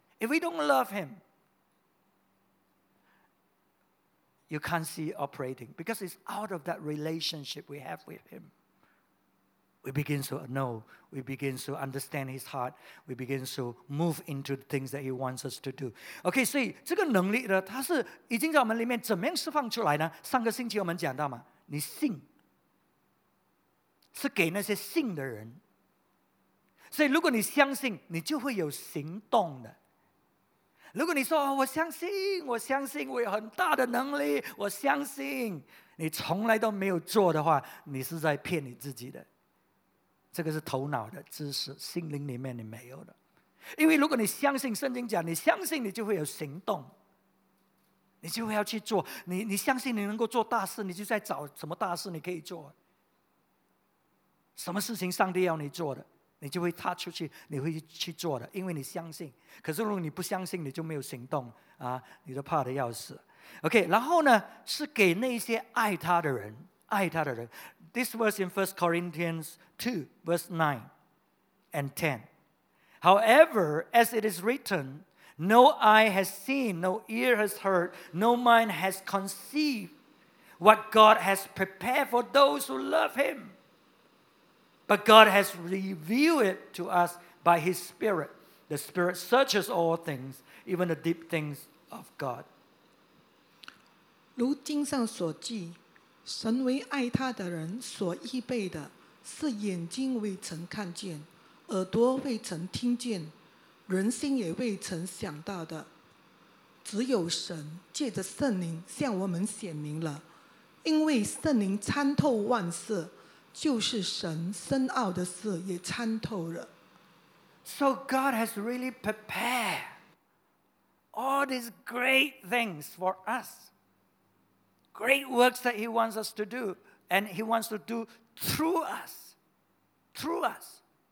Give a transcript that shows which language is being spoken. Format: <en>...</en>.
<en>If we don't love Him, you can't see operating because it's out of that relationship we have with Him. We begin to know, we begin to understand His heart, we begin to move into the things that He wants us to do.</en> <zh>Okay, 所以这个能力呢，它是已经在我们里面怎么样释放出来呢？上个星期我们讲到嘛，你信，是给那些信的人。所以如果你相信，你就会有行动的。如果你说，我相信，我相信我有很大的能力，我相信，你从来都没有做的话，你是在骗你自己的。这个是头脑的知识，心灵里面你没有的。因为如果你相信圣经讲，你相信你就会有行动，你就会要去做。你相信你能够做大事，你就在找什么大事你可以做，什么事情上帝要你做的，你就会踏出去，你会去做的，因为你相信。可是如果你不相信，你就没有行动啊，你就怕得要死。 OK， 然后呢是给那些爱他的人，爱他的人。</zh> <en>This verse in 1 Corinthians 2, verse 9 and 10. However, as it is written, no eye has seen, no ear has heard, no mind has conceived what God has prepared for those who love Him. But God has revealed it to us by His Spirit. The Spirit searches all things, even the deep things of God.</en> <zh>如经上所记，神为爱他的人所预备的，是眼睛未曾看见，耳朵未曾听见，人心也未曾想到的，只有神借着圣灵向我们显明了。因为圣灵参透万事，就是神深奥的事也参透了。</zh> <en>So God has really prepared all these great things for us, great works that he wants us to do, and he wants to do through us, through us.</en>